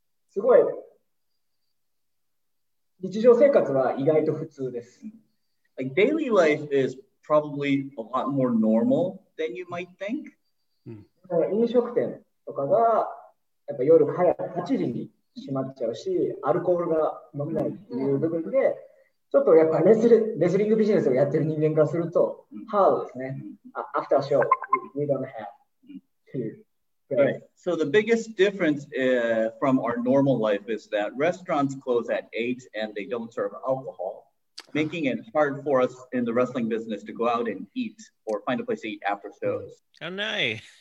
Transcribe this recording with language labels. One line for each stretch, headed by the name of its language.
Japanese: すごい日常生活は意外と普通です。
English: Like, daily life is probably a lot more normal than you might think.
Japanese: 飲食店とかがやっぱ夜早く8時に閉まっちゃうし、アルコールが飲めないという部分で、ちょっとやっぱレスリングビジネスをやってる人間からすると、ハードですね。
English: After show, we don't have. Right. So the biggest difference from our normal life is that restaurants close at 8 and they don't serve alcohol, making it hard for us in the wrestling business to go out and eat or find a place to eat after shows. Oh, nice.